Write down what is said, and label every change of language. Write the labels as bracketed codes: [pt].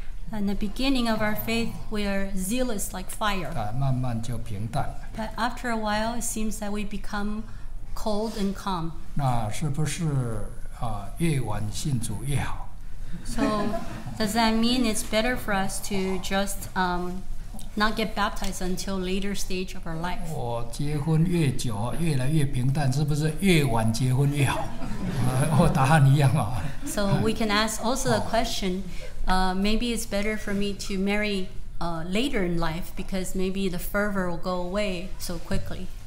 [en] In the beginning of our faith, we are zealous like fire. [zh] 慢慢就平淡。 [en] But after a while, it seems that we become cold and calm. [zh] 那是不是越晚信主越好？ [en] So does that mean it's better for us to just not get baptized until later stage of our life? [zh] 我结婚越久越来越平淡，是不是越晚结婚越好？我答案一样啊。 [en] So we can ask also a question. Maybe it's better for me to marry later in life because maybe the fervor will go away so quickly.